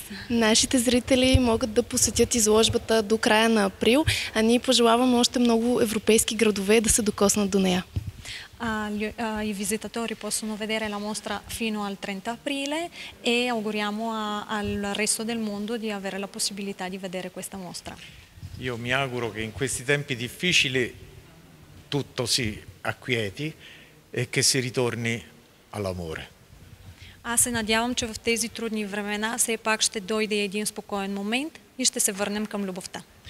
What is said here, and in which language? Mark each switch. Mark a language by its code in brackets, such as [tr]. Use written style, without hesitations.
[bg] Нашите зрители могат да посетят изложбата до края на април, а ние пожелаваме още много европейски градове да се докоснат до нея. [it] I visitatori possono vedere la mostra fino al 30 aprile e auguriamo al resto del mondo di avere la possibilità di vedere questa mostra. Io mi auguro che in questi tempi difficili tutto si acquieti e che si ritorni all'amore. [bg] Аз се надявам, че в тези трудни времена все пак ще дойде един спокоен момент и ще се върнем към любовта.